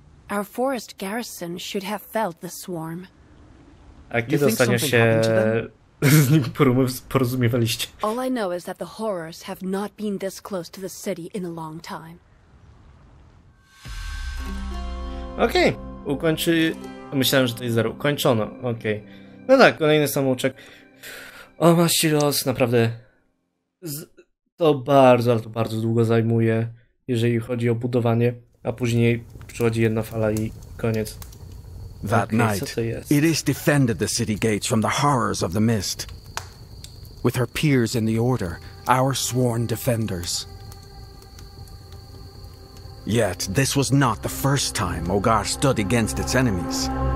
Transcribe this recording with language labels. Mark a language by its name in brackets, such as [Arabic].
[English] Our forest garrison should have felt the swarm. [Polish] A kiedy ostatnio się z nim porozumiewaliście? [English] All I know is that the horrors have not been this close to the city in a long time. Okej. Okay. [Polish] Myślałem, że to jest zero. Ukończono. Okej. Okay. No tak, kolejny samouczek. O, maści los, naprawdę. To bardzo, ale to bardzo długo zajmuje, jeżeli chodzi o budowanie, a później przychodzi jedna fala i koniec. [English] That night, it is defended the city gates from the horrors of the mist. With her peers in the order, our sworn defenders. Yet, this was not the first time Ogar stood against its enemies.